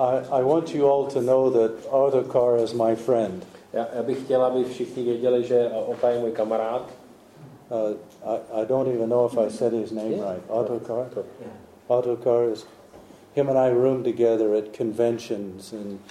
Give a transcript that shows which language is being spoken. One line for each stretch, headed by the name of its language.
English: I want you all to know that Arthur Carr is my friend.
Czech: Já bych chtěl, aby všichni věděli, že Ota je můj kamarád.
English: I don't even know if I said his name right. Arthur Carr. Arthur Carr is him and I roomed together at conventions and